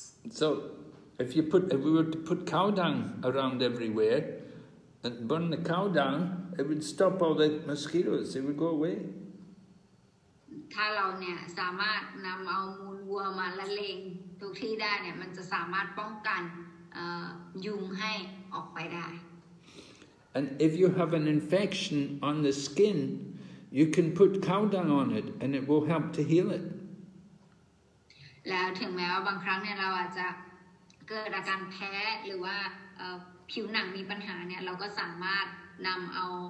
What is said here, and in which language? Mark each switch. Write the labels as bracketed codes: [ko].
[en] So, if we were to put cow dung around everywhere and burn the cow dung, it would stop all the mosquitoes, they would go away. [th] ถ้าเราเนี่ยสามารถนำเอามูลวัวมาละเลงทุกที่ได้เนี่ยมันจะสามารถป้องกันยุงให้ออกไปได้ [en] And if you have an infection on the skin, you can put cow dung on it and it will help to heal it. [th] แล้วถึงแม้ว่าบางครั้งเนี่ยเราอาจจะเกิดอาการแพ้หรือว่าผิวหนังมีปัญหาเนี่ยเราก็สามารถนำเอา